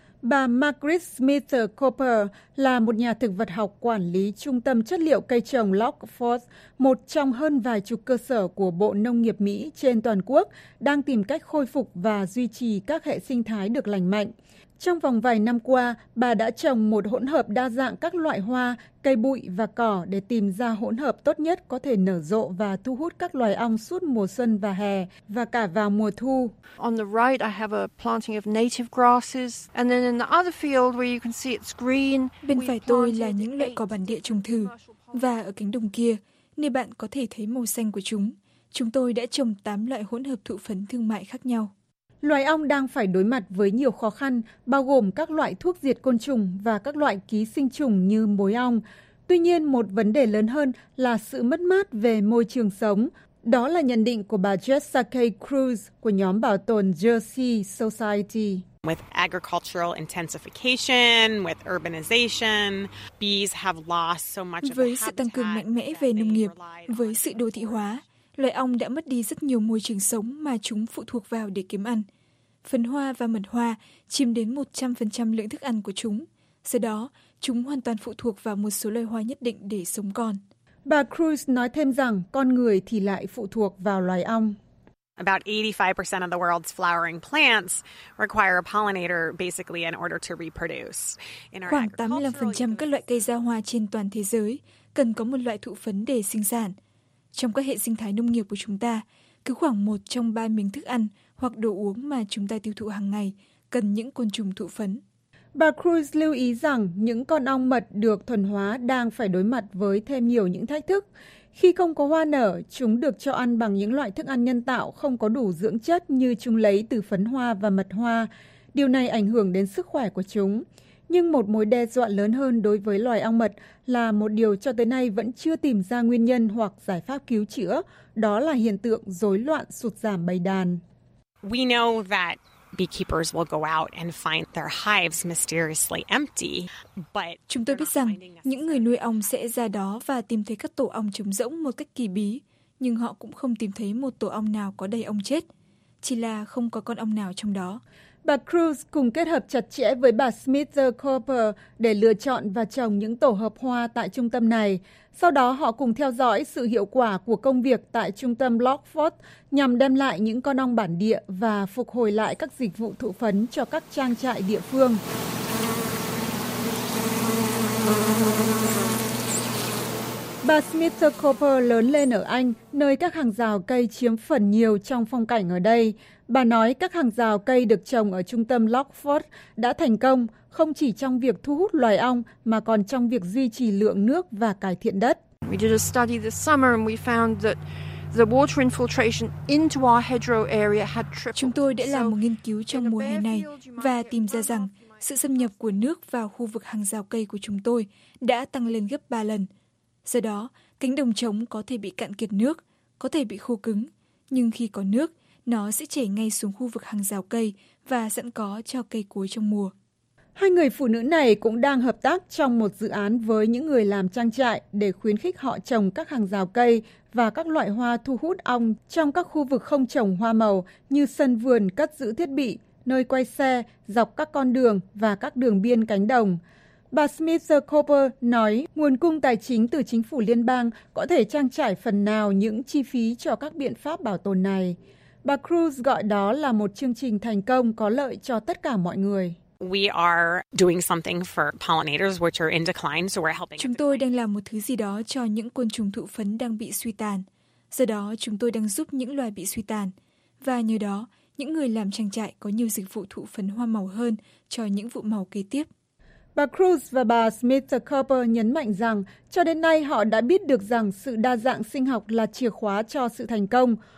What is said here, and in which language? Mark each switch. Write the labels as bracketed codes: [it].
[vi] Bà Margaret Smith Cooper là một nhà thực vật học quản lý trung tâm chất liệu cây trồng Lockford, một trong hơn vài chục cơ sở của Bộ Nông nghiệp Mỹ trên toàn quốc, đang tìm cách khôi phục và duy trì các hệ sinh thái được lành mạnh. Trong vòng vài năm qua, bà đã trồng một hỗn hợp đa dạng các loại hoa, cây bụi và cỏ để tìm ra hỗn hợp tốt nhất có thể nở rộ và thu hút các loài ong suốt mùa xuân và hè, và cả vào mùa thu. [en] On the right, I have a planting of native grasses. And then in the other field where you can see it's green. [vi] Bên phải tôi là những loại cỏ bản địa trồng thử. Và ở cánh đồng kia, nơi bạn có thể thấy màu xanh của chúng, chúng tôi đã trồng 8 loại hỗn hợp thụ phấn thương mại khác nhau. Loài ong đang phải đối mặt với nhiều khó khăn, bao gồm các loại thuốc diệt côn trùng và các loại ký sinh trùng như mối ong. Tuy nhiên, một vấn đề lớn hơn là sự mất mát về môi trường sống. Đó là nhận định của bà Jessica Cruz của nhóm bảo tồn Jersey Society. [en] With agricultural intensification, with urbanization, bees have lost so much of their habitat. [vi] Với sự tăng cường mạnh mẽ về nông nghiệp, với sự đô thị hóa, loài ong đã mất đi rất nhiều môi trường sống mà chúng phụ thuộc vào để kiếm ăn. Phấn hoa và mật hoa chiếm đến 100% lượng thức ăn của chúng. Do đó, chúng hoàn toàn phụ thuộc vào một số loài hoa nhất định để sống còn. Bà Cruz nói thêm rằng con người thì lại phụ thuộc vào loài ong. [en] About 85% of the world's flowering plants require a pollinator basically in order to reproduce. [vi] Khoảng 85% các loại cây ra hoa trên toàn thế giới cần có một loại thụ phấn để sinh sản. Trong các hệ sinh thái nông nghiệp của chúng ta, cứ khoảng 1 trong 3 miếng thức ăn hoặc đồ uống mà chúng ta tiêu thụ hàng ngày cần những côn trùng thụ phấn. Bà Cruz lưu ý rằng những con ong mật được thuần hóa đang phải đối mặt với thêm nhiều những thách thức. Khi không có hoa nở, chúng được cho ăn bằng những loại thức ăn nhân tạo không có đủ dưỡng chất như chúng lấy từ phấn hoa và mật hoa. Điều này ảnh hưởng đến sức khỏe của chúng. Nhưng một mối đe dọa lớn hơn đối với loài ong mật là một điều cho tới nay vẫn chưa tìm ra nguyên nhân hoặc giải pháp cứu chữa, đó là hiện tượng rối loạn sụt giảm bầy đàn. [en] We know that beekeepers will go out and find their hives mysteriously empty, but [vi] chúng tôi biết rằng những người nuôi ong sẽ ra đó và tìm thấy các tổ ong trống rỗng một cách kỳ bí, nhưng họ cũng không tìm thấy một tổ ong nào có đầy ong chết, chỉ là không có con ong nào trong đó. Bà Cruz cùng kết hợp chặt chẽ với bà Smith the Cooper để lựa chọn và trồng những tổ hợp hoa tại trung tâm này. Sau đó họ cùng theo dõi sự hiệu quả của công việc tại trung tâm Lockford nhằm đem lại những con ong bản địa và phục hồi lại các dịch vụ thụ phấn cho các trang trại địa phương. Bà Smith the Cooper lớn lên ở Anh, nơi các hàng rào cây chiếm phần nhiều trong phong cảnh ở đây. Bà nói các hàng rào cây được trồng ở trung tâm Lockford đã thành công không chỉ trong việc thu hút loài ong mà còn trong việc duy trì lượng nước và cải thiện đất. [en] We did a study this summer and we found that the water infiltration into our hedgerow area had tripled. [vi] Chúng tôi đã làm một nghiên cứu trong mùa hè này và tìm ra rằng sự xâm nhập của nước vào khu vực hàng rào cây của chúng tôi đã tăng lên gấp 3 lần. Do đó, cánh đồng trống có thể bị cạn kiệt nước, có thể bị khô cứng, nhưng khi có nước, nó sẽ chảy ngay xuống khu vực hàng rào cây và sẵn có cho cây cối trong mùa. Hai người phụ nữ này cũng đang hợp tác trong một dự án với những người làm trang trại để khuyến khích họ trồng các hàng rào cây và các loại hoa thu hút ong trong các khu vực không trồng hoa màu như sân vườn cất giữ thiết bị, nơi quay xe, dọc các con đường và các đường biên cánh đồng. Bà Smith the Cooper nói nguồn cung tài chính từ chính phủ liên bang có thể trang trải phần nào những chi phí cho các biện pháp bảo tồn này. Bà Cruz gọi đó là một chương trình thành công có lợi cho tất cả mọi người. [en] We are doing something for pollinators which are in decline, so we're helping. [vi] Chúng tôi đang làm một thứ gì đó cho những côn trùng thụ phấn đang bị suy tàn. Do đó, chúng tôi đang giúp những loài bị suy tàn. Và nhờ đó, những người làm trang trại có nhiều dịch vụ thụ phấn hoa màu hơn cho những vụ màu kế tiếp. Bà Cruz và bà Smith the Cooper nhấn mạnh rằng, cho đến nay họ đã biết được rằng sự đa dạng sinh học là chìa khóa cho sự thành công.